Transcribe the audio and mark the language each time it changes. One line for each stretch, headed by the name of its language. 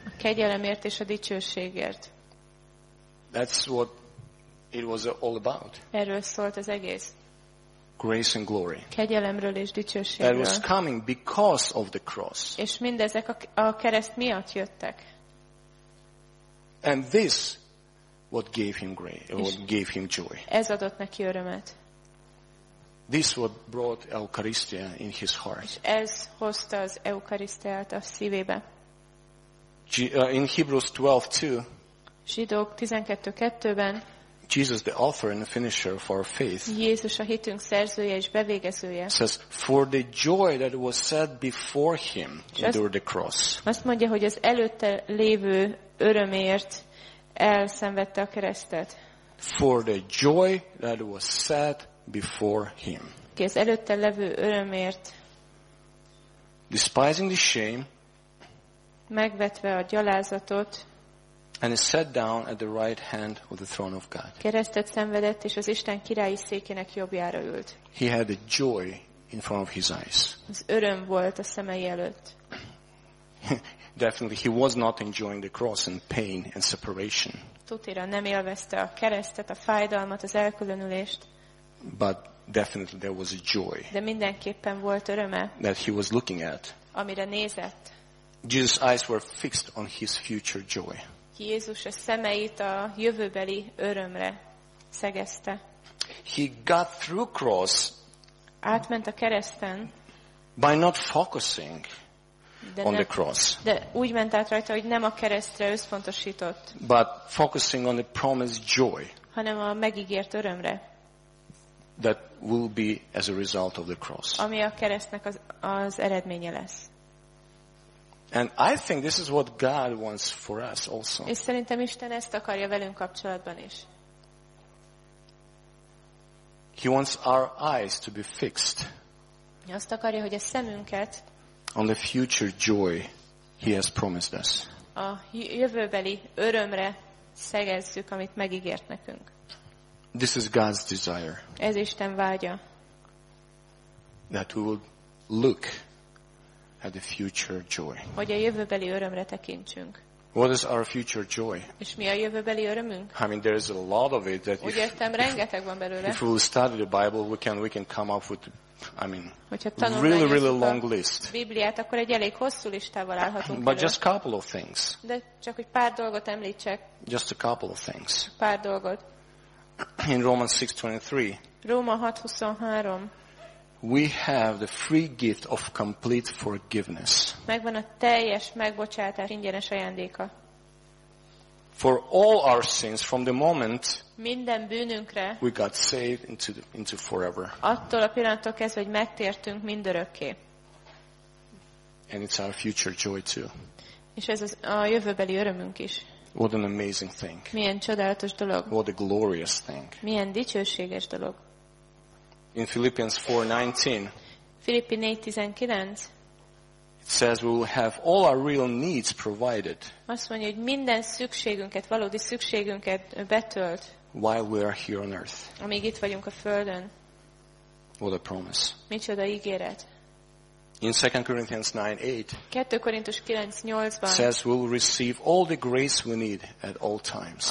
Hungarian: A kegyelemért és a dicsőségért.
English: That's what it was all about.
Hungarian: Erről szólt az egész.
English: Grace and glory.
Hungarian: Kegyelemről és dicsőségről.
English: That was coming because of the cross.
Hungarian: És mindezek a kereszt miatt jöttek.
English: And this what gave him grace, what gave him joy.
Hungarian: Ez adott neki örömet.
English: This what brought Eucharistia in his heart.
Hungarian: Ez hozta az Eucharistiát a szívébe.
English: In Hebrews 12:2.
Hungarian: Zsidók 12:2-ben.
English: Jesus, the author and the finisher of our faith,
Hungarian: Jézus a hitünk szerzője és bevégezője,
English: says, for the joy that was set before him endured the cross.
Hungarian: Azt mondja, hogy az előtte lévő öröméért elszenvedte a keresztet.
English: For the joy that was set before him.
Hungarian: Ki az előtte levő öröméért,
English: despising the shame,
Hungarian: megvetve a gyalázatot,
English: and is sat down at the right hand of the throne of God.
Hungarian: Keresztet szenvedett és az Isten királyi székének jobbjára ült.
English: He had a joy in front of his eyes.
Hungarian: Az öröm volt a szemei előtt.
English: Definitely he was not enjoying the cross and pain and separation.
Hungarian: Tudtira nem élvezte a keresztet, a fájdalmat, az elkülönülést.
English: But definitely there was a joy.
Hungarian: De mindenképpen volt öröme.
English: That he was looking at.
Hungarian: Amire nézett.
English: Jesus' eyes were fixed on his future joy.
Hungarian: Jézus a szemeit a jövőbeli örömre szegezte.
English: He got through cross.
Hungarian: Átment a kereszten.
English: By not focusing on the cross.
Hungarian: De úgy ment át rajta, hogy nem a keresztre összpontosított.
English: But focusing on the promised joy.
Hungarian: Hanem a megígért örömre.
English: That will be as a result of the cross.
Hungarian: Ami a keresztnek az eredménye lesz.
English: And I think this is what God wants for us also.
Hungarian: És szerintem Isten ezt akarja velünk kapcsolatban is.
English: He wants our eyes to be fixed.
Hungarian: Azt akarja, hogy a szemünket
English: on the future joy he has promised us.
Hungarian: A jövőbeli örömre szegezzük, amit megígért nekünk.
English: This is God's desire.
Hungarian: Ez Isten vágya.
English: That we would look at the future joy.
Hungarian: Hogy a jövőbeli örömre tekintsünk.
English: What is our future joy?
Hungarian: És mi a jövőbeli örömünk?
English: I mean, there is a lot of it that
Hungarian: úgy értem, rengeteg van belőle.
English: If we study the Bible, we can come up with, I mean, really long list.
Hungarian: Bibliát, akkor egy elég hosszú listával állhatunk.
English: But just a couple of things.
Hungarian: De csak egy pár dolgot említsek.
English: Just a couple of things.
Hungarian: Pár dolgot.
English: In Romans 6:23.
Hungarian: Róma 6:23.
English: We have the free gift of complete forgiveness.
Hungarian: Megvan a teljes megbocsátás ingyenes ajándéka.
English: For all our sins from the moment
Hungarian: minden bűnünkre
English: we got saved into forever.
Hungarian: Attól a pillanattól kezdve, hogy megtértünk mindörökké.
English: And it's our future joy too.
Hungarian: És ez a jövőbeli örömünk is.
English: What an amazing thing.
Hungarian: Milyen csodálatos dolog.
English: What a glorious thing.
Hungarian: Milyen dicsőséges dolog.
English: In Philippians 4:19.
Hungarian: Filippi 4:19.
English: It says we will have all our real needs provided.
Hungarian: Azt mondja, hogy minden szükségünket, valódi szükségünket betölt.
English: While we are here on earth.
Hungarian: Amíg itt vagyunk a földön.
English: What a promise.
Hungarian: Micsoda ígéret.
English: In 2 Corinthians 9:8.
Hungarian: 2 Korintus 9:8-ban.
English: Says we will receive all the grace we need at all times.